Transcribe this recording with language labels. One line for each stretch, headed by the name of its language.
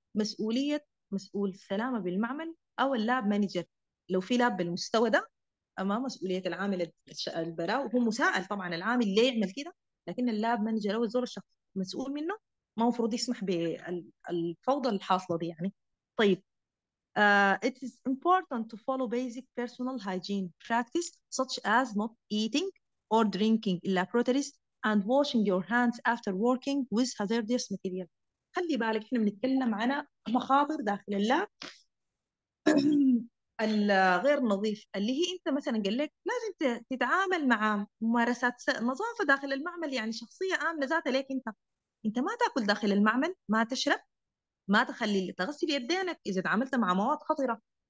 Arabic: مسؤوليه مسؤول السلامه بالمعمل او اللاب مانجر لو في لاب بالمستوى ده، اما مسؤوليه العامل البراء، وهو مساءل طبعا العامل ليه يعمل كده، لكن اللاب مانجر او الزول الشخص مسؤول منه ما المفروض يسمح بالفوضى الحاصلة دي يعني.
English: طيب it is important to follow basic personal hygiene practice such as not eating or drinking laboratories and washing your hands after working with hazardous material.
Arabic: خلي بالك احنا بنتكلم عن مخاطر داخل اللاب الغير نظيف، اللي هي انت مثلا قال لك لازم تتعامل مع ممارسات نظافة داخل المعمل، يعني شخصية آمنة ذات ليك انت، انت ما تاكل داخل المعمل، ما تشرب، ما تخلي تغسل يدينك اذا تعاملت مع مواد خطره.